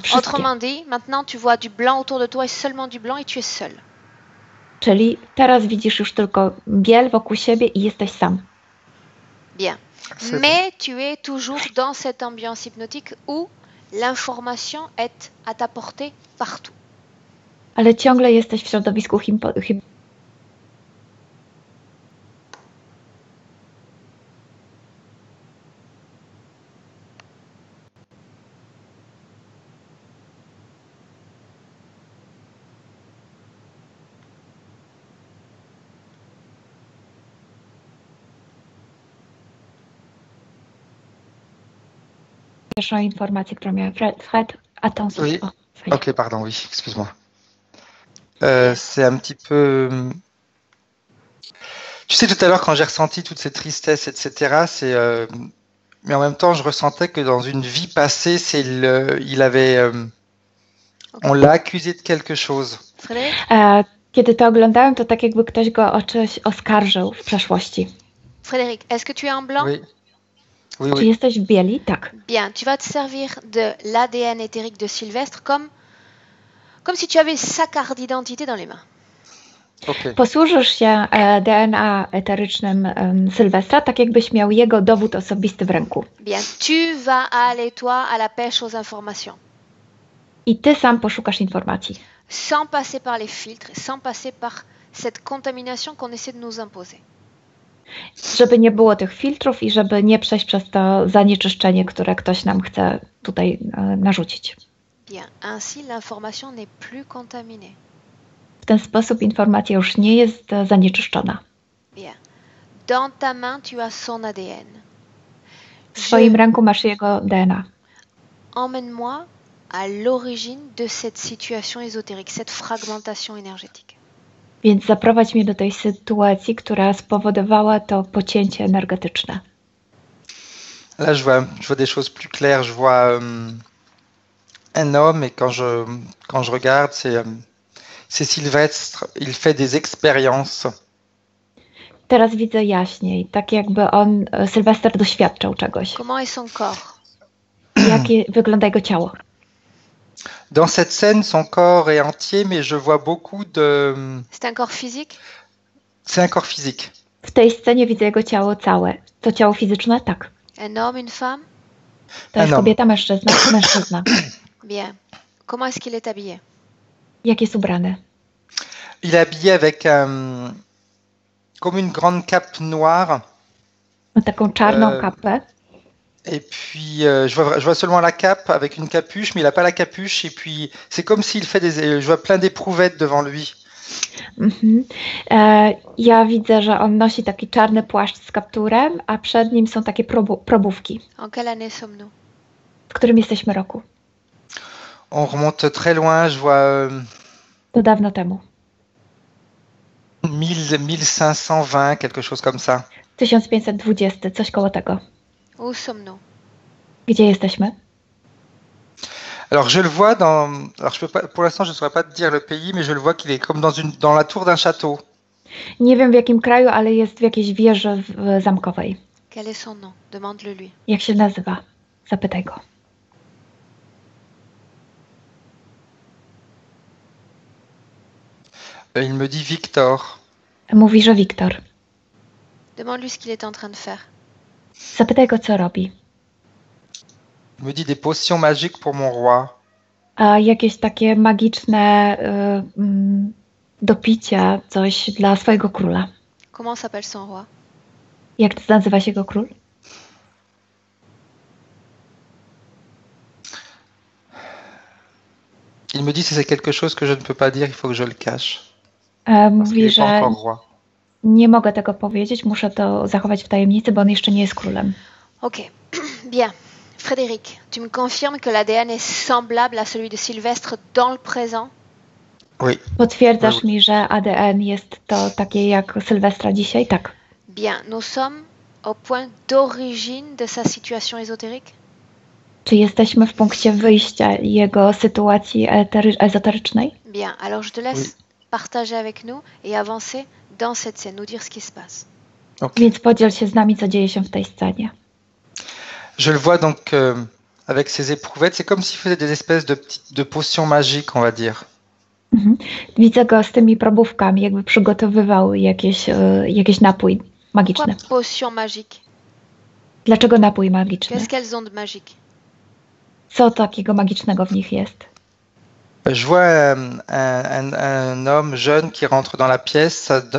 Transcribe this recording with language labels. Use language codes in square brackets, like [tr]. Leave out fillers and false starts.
[pl] Wszystkie. [fr] Autrement dit, maintenant tu vois du blanc autour de toi, seulement du blanc, et tu es seul. [pl] Czyli teraz widzisz już tylko biel wokół siebie i jesteś sam. [fr] Bien. Mais tu es toujours dans cette ambiance hypnotique où l'information est à ta portée partout. [pl] Ale ciągle jesteś w środowisku hypnotycznym. Pierwszą informację, którą miałem. Fred, a tą [fr] oui. Oh, ok, pardon, oui, excuse-moi. C'est un petit peu... Tu sais, tout à l'heure, quand j'ai ressenti toute cette tristesse, etc., c'est... Mais en même temps, je ressentais que dans une vie passée, c'est le... il avait... Okay. On l'a accusé de quelque chose. [pl] Kiedy to oglądałem, to tak jakby ktoś go o coś oskarżył w przeszłości. [fr] Frédéric, est-ce que tu es en blanc? Oui. Oui, tu oui. [pl] Jesteś w bieli? Tak. [fr] Bien, tu vas te servir de l'ADN éthérique de Sylvestre comme si tu avais sa carte d'identité dans les mains. Okay. [pl] Posłużysz się DNA eterycznym Sylwestra, tak jakbyś miał jego dowód osobisty w ręku. [fr] Bien, tu vas aller toi à la pêche aux informations. [pl] I ty sam poszukasz informacji. [fr] Sans passer par les filtres, sans passer par cette contamination qu'on essaie de nous imposer. [pl] Żeby nie było tych filtrów i żeby nie przejść przez to zanieczyszczenie, które ktoś nam chce tutaj narzucić. [fr] Bien, ainsi l'information n'est plus contaminée. [pl] W ten sposób informacja już nie jest zanieczyszczona. [fr] Bien. Dans ta main tu as son ADN. [pl] W swoim ręku masz jego DNA. [fr] Emmène-moi à l'origine de cette situation ésotérique, cette fragmentation énergétique. [pl] Więc zaprowadź mnie do tej sytuacji, która spowodowała to pocięcie energetyczne. [fr] Là, je vois des choses plus claires. Je vois un homme et quand je regarde, C'est Sylvestre, il fait des expériences. [pl] Teraz widzę jaśniej, tak jakby on, Sylwester, doświadczał czegoś. [fr] Comment est son corps? [pl] Jakie wygląda jego ciało? [fr] Dans cette scène, son corps est entier, mais je vois beaucoup de... C'est un corps physique? C'est un corps physique. [pl] W tej scenie widzę jego ciało całe. To ciało fizyczne? Tak. [fr] Un homme, une femme? [pl] To jest kobieta, mężczyzna, mężczyzna. [fr] Bien. Comment est-ce qu'il est habillé? [pl] Jak jest ubrany? [fr] Il est habillé avec un... comme une grande cape noire. [pl] Taką czarną kapę. [fr] Et puis, je vois seulement la cape avec une capuche, mais il n'a pas la capuche. Et puis, c'est comme s'il fait des... Je vois plein d'éprouvettes devant lui. Mm-hmm. [pl] Ja widzę, że on nosi taki czarny płaszcz z kapturem, a przed nim są takie probówki. [fr] En quelle année sommes-nous? [pl] W którym jesteśmy roku? [fr] On remonte très loin, je vois... [pl] To dawno temu. [fr] 1520, quelque chose comme ça. [pl] 1520, coś koło tego. [fr] Où sommes-nous? [pl] Gdzie jesteśmy? [fr] Alors je le vois dans... Alors, je peux pas... Pour l'instant, je ne saurais pas te dire le pays, mais je le vois qu'il est comme dans, une... dans la tour d'un château. [pl] Nie wiem, w jakim kraju, ale jest w jakiejś wieży zamkowej. [fr] Quel est son nom? Demande-le-lui. [pl] Jak się nazywa? Zapytaj go. [fr] Il me dit Victor. [pl] Mówi, że Victor. [fr] Demande-lui ce qu'il est en train de faire. [pl] Zapytaj go, co robi. [fr] Il me dit des potions magiques pour mon roi. [pl] A jakieś takie magiczne do picia, coś dla swojego króla. [fr] Comment s'appelle son roi? [pl] Jak to nazywa się jego król? [fr] Il me dit que c'est quelque chose que je ne peux pas dire, il faut que je le cache. [pl] Mówi, że nie mogę tego powiedzieć, muszę to zachować w tajemnicy, bo on jeszcze nie jest królem. [fr] Ok, bien. Frédéric, tu me confirmes que l'ADN est semblable à celui de Sylvestre dans le présent? Oui. [pl] Potwierdzasz mi, że ADN jest to takie jak Sylwestra dzisiaj? Tak. [fr] Bien, nous sommes au point d'origine de sa situation ésotérique? [pl] Czy jesteśmy w punkcie wyjścia jego sytuacji ezoterycznej? [fr] Bien, alors je te laisse... Oui. Partager avec nous et avancer dans cette scène, nous dire ce qui se passe. Okay. [pl] Więc podziel się z nami, co dzieje się w tej scenie. [fr] Je le vois donc avec ses éprouvettes, c'est comme s'il faisait des espèces de potions magiques, on va dire. Mm-hmm. [pl] Widzę go z tymi probówkami, jakby przygotowywał jakiś napój magiczny. [fr] Potion magique. [pl] Dlaczego napój magiczny? [fr] Qu'est-ce qu'elles ont de magique? [pl] Co takiego magicznego w nich jest? [fr] Je vois un homme jeune qui rentre dans la pièce.